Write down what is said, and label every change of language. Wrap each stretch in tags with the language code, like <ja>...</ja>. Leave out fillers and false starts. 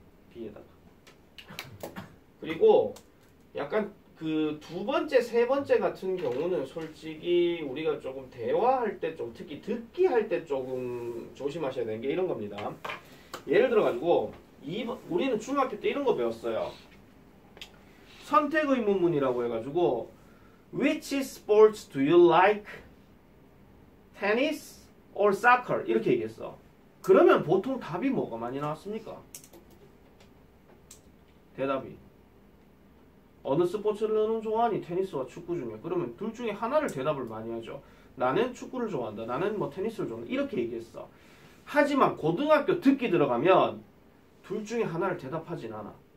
<ko>B에다가 그리고 약간 그 두 번째, 세 번째 같은 경우는 솔직히 우리가 조금 대화할 때 좀 특히 듣기 할 때 조금 조심하셔야 되는 게 이런 겁니다. 예를 들어 가지고 우리는 중학교 때 이런 거 배웠어요. 선택 의문문이라고 해가지고</ko> <en>Which sports do you like? Tennis or soccer?</en> <ko>이렇게 얘기했어. 그러면 보통 답이 뭐가 많이 나왔습니까? 대답이 어느 스포츠를 너무 좋아하니? 테니스와 축구 중에. 그러면 둘 중에 하나를 대답을 많이 하죠. 나는 축구를 좋아한다. 나는 뭐 테니스를 좋아한다. 이렇게 얘기했어. 하지만 고등학교 듣기 들어가면 둘 중에 하나를 대답하진 않아.</ko>